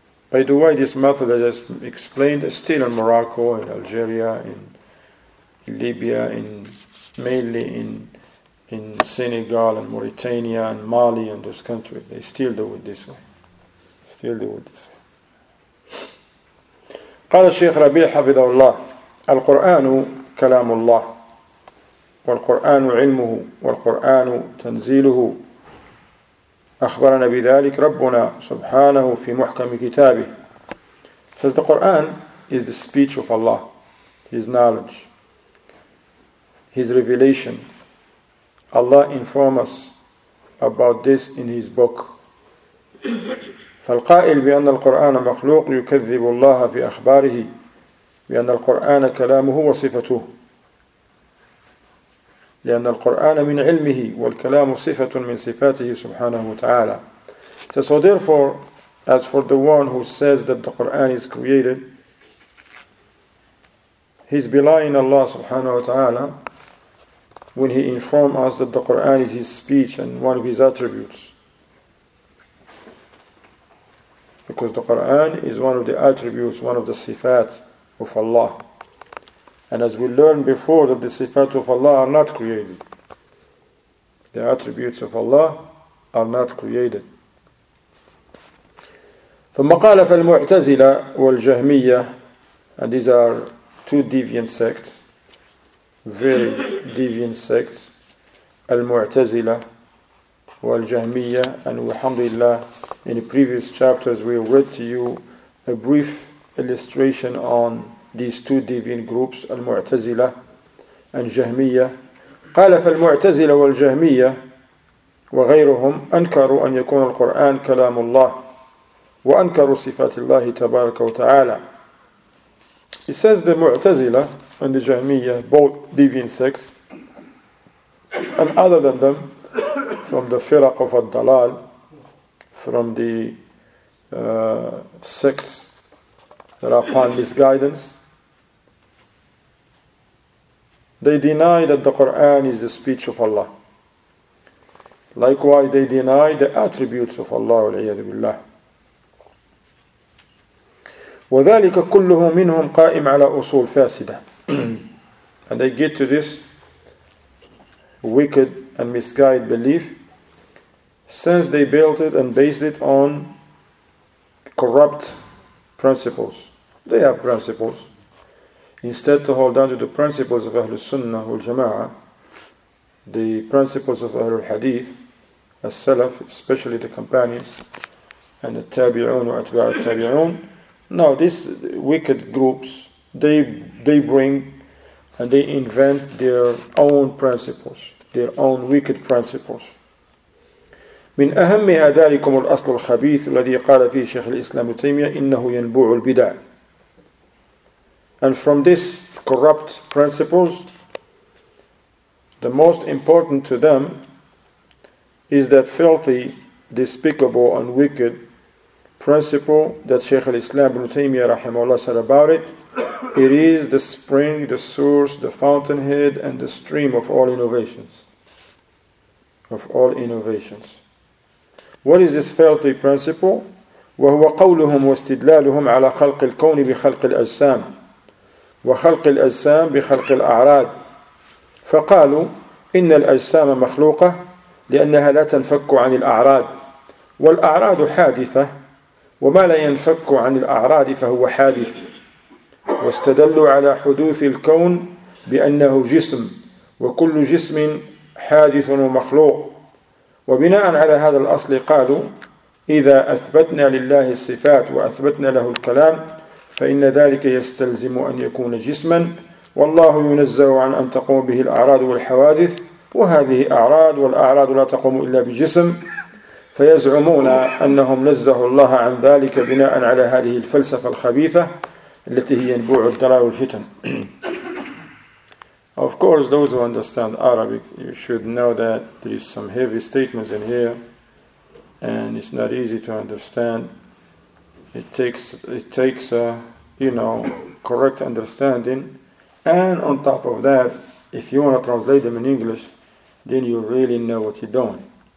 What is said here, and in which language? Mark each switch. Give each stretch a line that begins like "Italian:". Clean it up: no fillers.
English: By the way, this method that I just explained is still in Morocco, in Algeria, in Libya, in mainly in Senegal and Mauritania and Mali and those countries. They still do it this way. Still do it this way.
Arabic: قال الشيخ ربيع حفظه الله القرآن كلام الله والقرآن علمه والقرآن تنزيله أخبرنا بذلك ربنا سبحانه في محكم كتابه.
English: Says the Quran is the speech of Allah, His knowledge, His revelation. Allah informs us about this in His book.
Arabic: فالقائل بأن القرآن مخلوق يكذب الله في أخباره بأن القرآن كلامه وصفته لأن القرآن من علمه والكلام صفة من صفاته سبحانه وتعالى.
English: So therefore, as for the one who says that the Quran is created, he's belying Allah subhanahu wa ta'ala when he informs us that the Quran is his speech and one of his attributes. Because the Quran is one of the attributes, one of the sifat of Allah. And as we learned before, that the sifat of Allah are not created. The attributes of Allah are not created.
Arabic: ثم قال فالمعتزلة والجهمية,
English: and these are two deviant sects, very deviant sects,
Arabic: المعتزلة والجهمية.
English: And
Arabic: الحمد لله,
English: in the previous chapters we read to you a brief illustration on these two deviant groups, المعتزلة and جهمية.
Arabic: قال فالمعتزلة والجهمية وغيرهم أنكروا أن يكون القرآن كلام الله وأنكروا صفات الله تبارك وتعالى.
English: It says the Mu'tazila and the Jahmiyyah, both deviant sects, and other than them, from the Firaq of Ad-Dalal, from the sects that are upon misguidance, they deny that the Qur'an is the speech of Allah. Likewise, they deny the attributes of Allah, wal-iyadu billah.
Arabic: وذلك كله منهم قائم على أصول فاسدة.
English: And they get to this wicked and misguided belief since they built it and based it on corrupt principles. They have principles. Instead to hold on to the principles of Ahlul Sunnah wal-Jama'ah, the principles of Ahlul Hadith, As-Salaf, especially the companions, and the Tabi'un wa Atba' al-Tabi'un, now, these wicked groups, they bring and they invent their own principles, their own wicked principles.
Arabic: من أهمها ذلكم الأصل الخبيث الذي قال فيه شيخ الإسلام تيمية إنه ينبوع البدع.
English: And from these corrupt principles, the most important to them is that filthy, despicable and wicked principle that Shaykh al-Islam ibn Taymiyyah rahimahullah said about it. It is the spring, the source, the fountainhead, and the stream of all innovations. Of all innovations. What is this filthy principle?
Arabic: وَهُوَ قَوْلُهُمْ وَاسْتِدْلَالُهُمْ عَلَى خَلْقِ الْكَوْنِ بِخَلْقِ الْأَجْسَامِ وَخَلْقِ الْأَجْسَامِ بِخَلْقِ الْأَعْرَادِ فَقَالُوا إِنَّ الْأَجْسَامَ مَخْلُوقَةَ لِأَنَّهَا لَا تَنْفَكُّ عَنِ الْأَعْرَادِ وَالْأَعْرَادُ حَادِثَةَ وما لا ينفك عن الأعراض فهو حادث واستدلوا على حدوث الكون بأنه جسم وكل جسم حادث ومخلوق وبناء على هذا الأصل قالوا إذا أثبتنا لله الصفات وأثبتنا له الكلام فإن ذلك يستلزم أن يكون جسما والله ينزه عن أن تقوم به الأعراض والحوادث وهذه أعراض والأعراض لا تقوم إلا بجسم فيزعمون أنهم نزهوا الله عن ذلك بناء على هذه الفلسفة الخبيثة التي هي ينبوع الضلال والفتن.
English: Of course, those who understand Arabic, you should know that there is some heavy statements in here, and it's not easy to understand. It takes a correct understanding And on top of that, if you want to translate them in English, then you really know what you're doing.